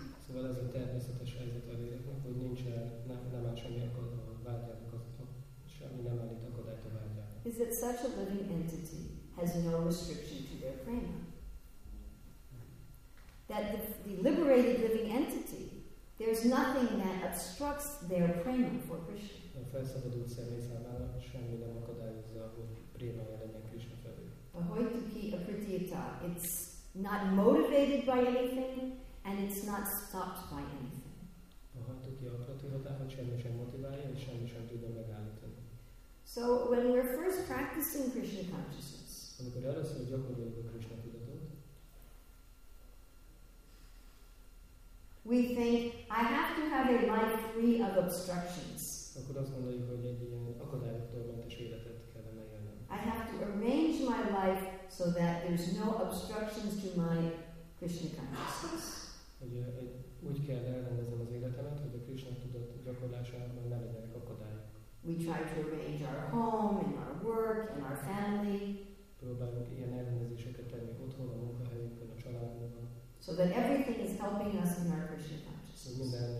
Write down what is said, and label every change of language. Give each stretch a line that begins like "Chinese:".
English: So what is the natural state of the living entity? Is that such a living entity has no restriction to their prana? That the liberated living entity. There's nothing that obstructs their prana for Krishna.
Hungarian: A felszabadult személy számára semmi nem akadályozza, hogy préma jelenjen Krishna felé.
English: A hojtuki a pritita, it's not motivated by anything, and it's not stopped by anything.
Hungarian: A hojtuki a pritita, hogy semmi sem motiválja, és semmi sem tudja megállítani.
English: So when we're first practicing Krishna consciousness,
Hungarian: amikor először gyakoroljuk a Krishna tudatot,
English: we think, I have to have a life free of obstructions.
Hungarian: Akkor azt mondjuk, hogy egy ilyen akadályoktól mentes életet kellene élnem.
English: I have to arrange my life so that there's no obstructions to my Krishna consciousness.
Hungarian: Úgy kell elrendezem az életemet, hogy a Krishna tudat gyakorlásában ne legyenek akadályok.
English: We try to arrange our home and our work and our family.
Hungarian: Próbálunk ilyen elrendezéseket tenni otthon, a munkahelyünkön, a családunkban.
English: So that everything is helping us in our Krishna consciousness.